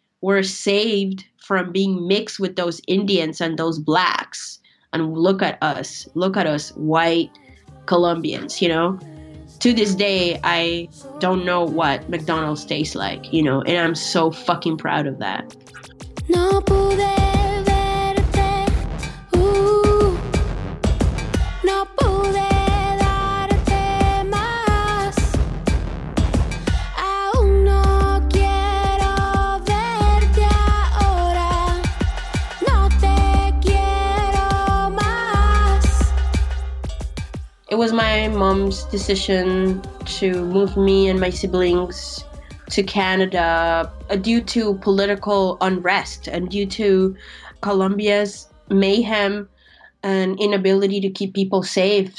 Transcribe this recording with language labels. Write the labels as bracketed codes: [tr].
[en] were saved from being mixed with those Indians and those blacks. And look at us, white Colombians, you know? To this day, I don't know what McDonald's tastes like, you know, and I'm so fucking proud of that. [es] No pude verte, no pude darte más, aún no quiero verte ahora, no te quiero más. [en] It was my mom's decision to move me and my siblings to Canada due to political unrest and due to Colombia's mayhem and inability to keep people safe.